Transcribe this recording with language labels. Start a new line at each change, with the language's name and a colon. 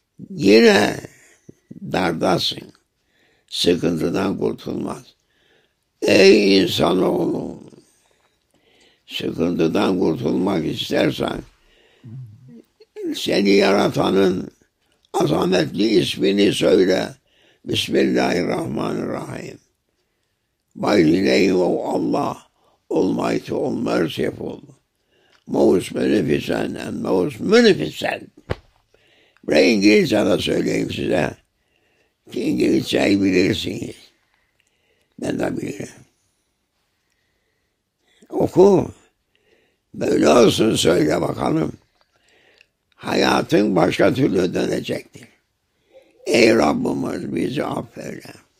Turkish: Yine dardasın. Sıkıntıdan kurtulmaz. Ey insanoğlu! Sıkıntıdan kurtulmak istersen seni yaratanın azametli ismini söyle.
Arabic: Bismillahirrahmanirrahim.
English: By the name of Allah, Almighty, All Merciful. Most beneficent and most munificent.
Turkish: Ve İngilizce de söyleyeyim size. İngilizceyi bilirsiniz. Ben de bilirim. Oku. Böyle olsun söyle bakalım. Hayatın başka türlü dönecektir. Ey Rabbimiz bizi affeyle.